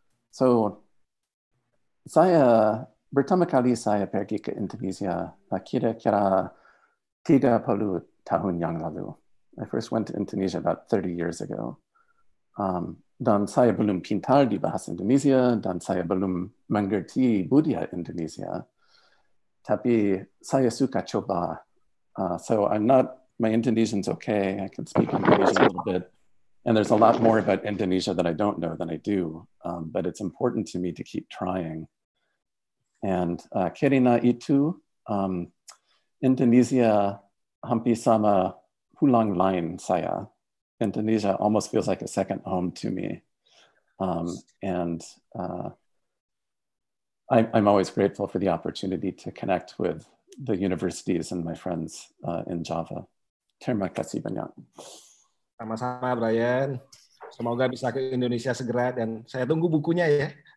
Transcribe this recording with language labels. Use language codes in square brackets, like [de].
[id] So saya pertama kali saya pergi ke Indonesia kira-kira 30 tahun yang lalu. [en] I first went to Indonesia about 30 years ago. [id] Dan saya belum pintar di bahasa Indonesia, dan saya belum mengerti budaya Indonesia. Tapi saya suka coba. [en] So I'm not, my Indonesian's okay. I can speak Indonesian a little bit. And there's a lot more about Indonesia that I don't know than I do. But it's important to me to keep trying. [id] And karena itu, Indonesia hampir sama pulang lain saya. [en] Indonesia almost feels like a second home to me. And I'm always grateful for the opportunity to connect with the universities and my friends in Java. [id] Terima kasih banyak. Sama-sama, Brian. Semoga bisa ke Indonesia segera, dan saya tunggu bukunya ya.